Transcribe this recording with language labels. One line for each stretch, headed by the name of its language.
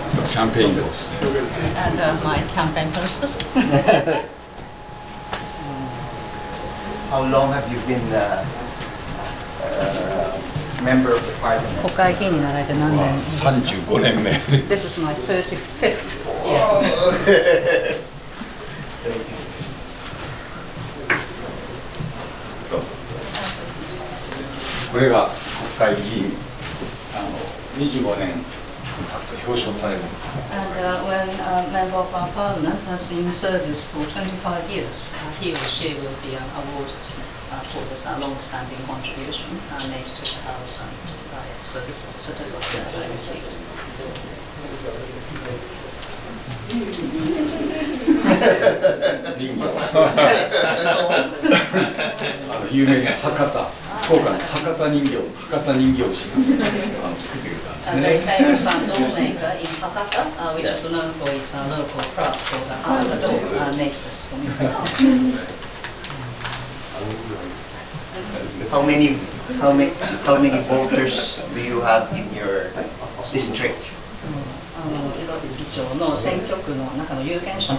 English: Campaign post. And my campaign posters. How long have you been a member of the parliament?
Japanese: 国会議員になられて何年ですか?35年目。
English: This is my 35th year.
Japanese: これが国会議員25年表彰されるんです。
English: And when a member of our parliament has been serving for 25 years, he or she will be awarded for this long-standing contribution made to the House and by it. So this is a certificate that I received.
Japanese: 有名な博多。福岡の博多人形、博多人形師が作ってくれたんですね。
English: They have some doll maker in Hakata, which is known for its local craft called the Hakata doll, made this for me. How many voters do you have in your district?
Japanese: 江戸議長の選挙区の中の有権者の